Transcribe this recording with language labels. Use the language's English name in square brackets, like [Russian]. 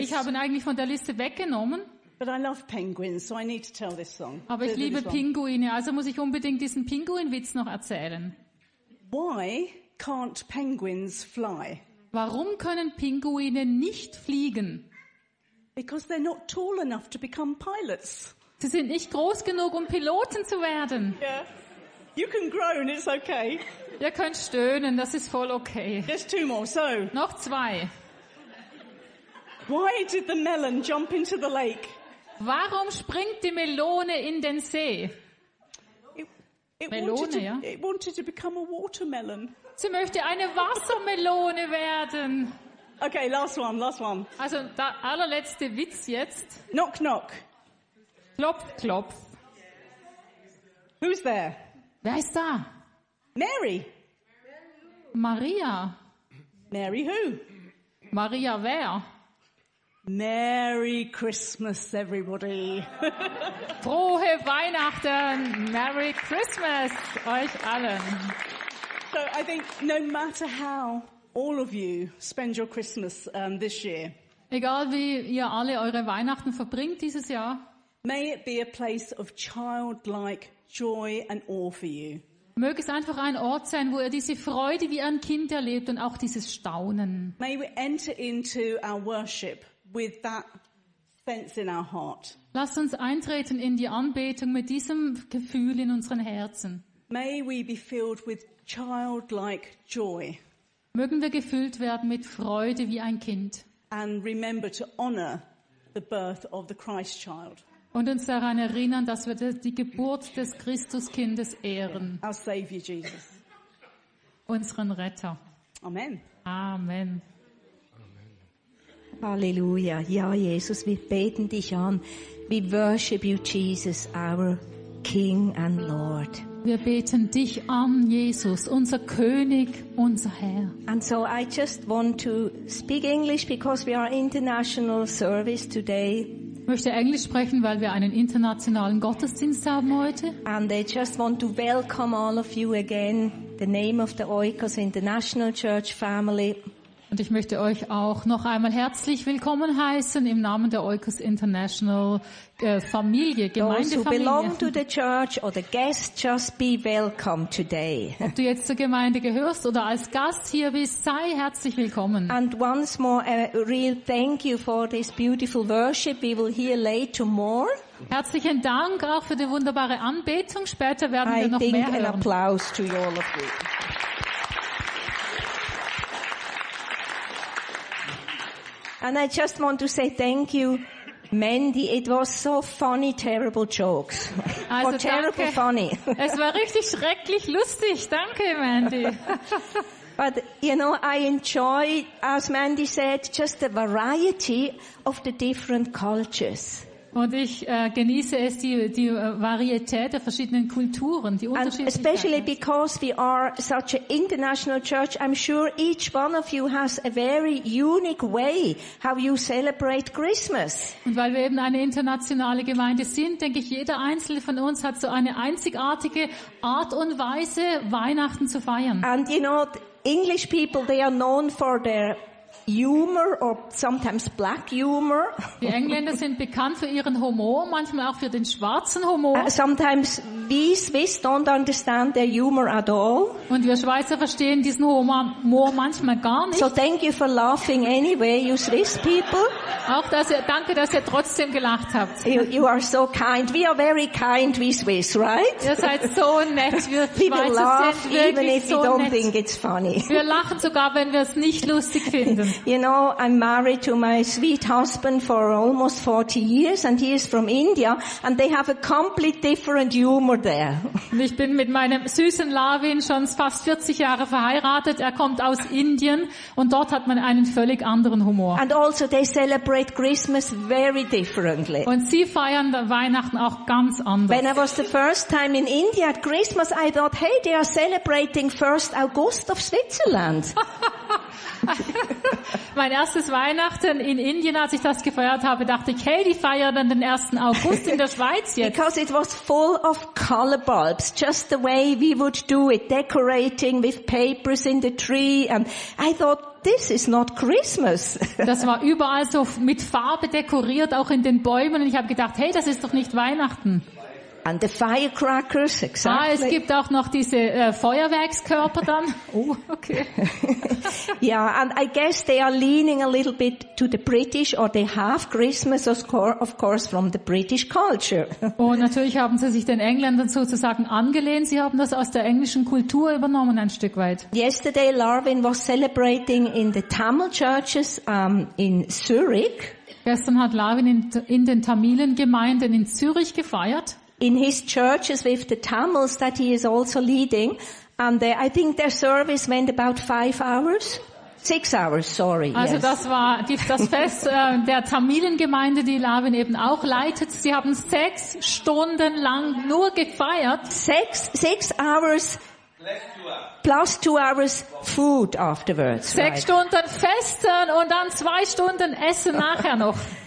[German] Ich habe ihn eigentlich von der Liste weggenommen. [English] But I love penguins, so I need to tell this song. [German] Aber ich liebe Pinguine. Also muss ich unbedingt diesen Pinguinwitz noch erzählen. [English] Why can't penguins fly? [German] Warum können Pinguine nicht fliegen? [English] Because they're not tall enough to become pilots. [German] Sie sind nicht groß genug, um Piloten zu werden. [English] Yeah. You can groan, it's okay. [German] Ihr könnt stöhnen, das ist voll okay. [English] There's two more, so. [German] Noch zwei. [English] Why did the melon jump into the lake? [German] Warum springt die Melone in den See? [English] It wanted to become a watermelon. [German] Sie möchte eine Wassermelone werden. [English] Okay, last one. [German] Also, der allerletzte Witz jetzt. [English] Knock, knock. [German] Klopf, klopf. [English] Who's there? [German] Wer ist da? [English] Mary. [German] Maria. [English] Mary who? [German] Maria wer? [English] Merry Christmas, everybody. [German] Frohe Weihnachten. [English] Merry Christmas [German] euch allen. [English] So, I think no matter how all of you spend your Christmas this year. [German] Egal wie ihr alle eure Weihnachten verbringt dieses Jahr. [English] May it be a place of childlike joy and awe for you. [German] Möge es einfach ein Ort sein, wo ihr diese Freude wie ein Kind erlebt und auch dieses Staunen. [English] May we enter into our worship with that sense in our heart. [German] Lasst uns eintreten in die Anbetung mit diesem Gefühl in unseren Herzen. [English] May we be filled with childlike joy. [German] Mögen wir gefüllt werden mit Freude wie ein Kind. [English] And remember to honor the birth of the Christ child. [German] Und uns daran erinnern, dass wir die Geburt des Christuskindes ehren. [English] Our Savior Jesus. [German] Unseren Retter. [English] Amen. [German] Amen. Halleluja. Ja, Jesus, wir beten dich an. [English] We worship you, Jesus, our King and Lord. [German] Wir beten dich an, Jesus, unser König, unser Herr. [English] And so I just want to speak English because we are international service today. [German] Ich möchte Englisch sprechen, weil wir einen internationalen Gottesdienst haben heute. [English] And I just want to welcome all of you again, the name of the Oikos International Church family. [German] Und ich möchte euch auch noch einmal herzlich willkommen heißen im Namen der Oikos International Familie, Gemeindefamilie. [English] Those who belong to the church or the guest, just be welcome today. [German] Ob du jetzt zur Gemeinde gehörst oder als Gast hier bist, sei herzlich willkommen. [English] And once more a real thank you for this beautiful worship we will hear later more. [German] Herzlichen Dank auch für die wunderbare Anbetung. Später werden wir noch mehr hören. [English] An applause to you all of you. And I just want to say thank you, Mandy. It was so funny, terrible jokes. [German] Also [English] or terrible [German] danke. [English] Funny. [German] Es war richtig schrecklich lustig. Danke, Mandy. [English] But, you know, I enjoy, as Mandy said, just the variety of the different cultures. [German] Und ich genieße es, die Varietät der verschiedenen Kulturen, die unterschiedlichen. [English] Especially because we are such an international church, I'm sure each one of you has a very unique way how you celebrate Christmas. Und weil wir eben eine internationale Gemeinde sind, denke ich, jeder einzelne von uns hat so eine einzigartige Art und Weise, Weihnachten zu feiern. And you know, English people, they are known for their humor or sometimes black humor. [German] Die Engländer sind bekannt für ihren Humor, manchmal auch für den schwarzen Humor. [English] Sometimes we Swiss don't understand their humor at all. [German] Und wir Schweizer verstehen diesen Humor manchmal gar nicht. [English] So thank you for laughing anyway, you Swiss people. [German] Auch danke, dass ihr trotzdem gelacht habt. [English] You are so kind. We are very kind, we Swiss, right? [German] Ihr seid so nett, wir Schweizer. [English] People laugh [German] sind wirklich [English] even if [German] so [English] you don't [German] nett. [English] Think it's funny. [German] Wir lachen sogar, wenn wir es nicht lustig finden. [English] You know, I'm married to my sweet husband for almost 40 years and he is from India and they have a completely different humor there. [German] Ich bin mit meinem süßen Lavin schon fast 40 Jahre verheiratet. Er kommt aus Indien und dort hat man einen völlig anderen Humor. [English] And also they celebrate Christmas very differently. [German] Und sie feiern Weihnachten auch ganz anders. [English] When I was the first time in India at Christmas, I thought, hey, they are celebrating 1st August of Switzerland. [German] Mein erstes Weihnachten in Indien, als ich das gefeiert habe, dachte ich, hey, die feiern dann den 1. August in der Schweiz jetzt. [English] Because it was full of color bulbs, just the way we would do it, decorating with papers in the tree. And I thought, this is not Christmas. [German] Das war überall so mit Farbe dekoriert, auch in den Bäumen. Und ich habe gedacht, hey, das ist doch nicht Weihnachten. [English] And the firecrackers, exactly. [German] Ah, es gibt auch noch diese Feuerwerkskörper dann. [English] Oh, okay. Yeah, and I guess they are leaning a little bit to the British, or they have Christmas, of course, from the British culture. [German] Oh, natürlich haben sie sich den Engländern sozusagen angelehnt. Sie haben das aus der englischen Kultur übernommen ein Stück weit. [English] Yesterday, Larvin was celebrating in the Tamil churches in Zurich. [German] Gestern hat Larvin in den Tamilengemeinden in Zürich gefeiert. [English] In his churches with the Tamils that he is also leading, and they, I think their service went about 5 hours, 6 hours. Sorry. [German] Also [English] yes. [German] Das war das Fest der Tamilengemeinde, die Larvin eben auch leitet. Sie haben 6 Stunden lang nur gefeiert. [English] Six hours. Plus 2 hours food afterwards. [German] 6 Stunden Festen und dann 2 Stunden Essen nachher noch.